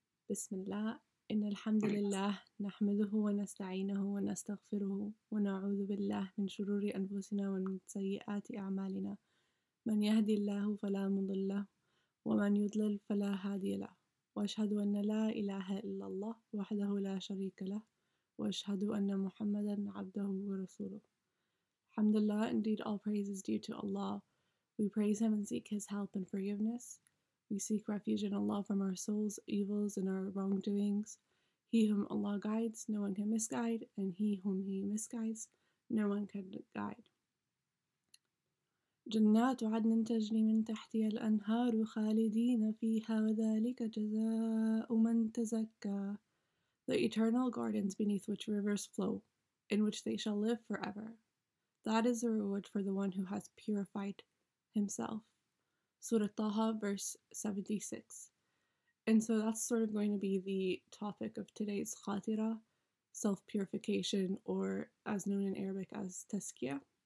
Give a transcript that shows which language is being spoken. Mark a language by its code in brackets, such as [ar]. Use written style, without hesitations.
[ar] بسم الله، إن الحمد لله نحمده ونستعينه ونستغفره ونعوذ بالله من شرور أنفسنا ومن سيئات أعمالنا، من يهدي الله فلا مضل له ومن يضلل فلا هادي له، وأشهد أن لا إله إلا الله وحده لا شريك له، وأشهد أن محمدا عبده ورسوله. الحمد لله. [en] Indeed all praise is due to Allah. We praise Him and seek His help and forgiveness. We seek refuge in Allah from our souls, evils, and our wrongdoings. He whom Allah guides, no one can misguide, and he whom He misguides, no one can guide. [ar] جنات عدن تجري من تحتها الأنهار خالدين فيها وذلك جزاء من تزكى. [en] The eternal gardens beneath which rivers flow, in which they shall live forever. That is the reward for the one who has purified himself. Surah Taha, verse 76. And so that's sort of going to be the topic of today's khatira, self-purification, or as known in Arabic as tazkiya.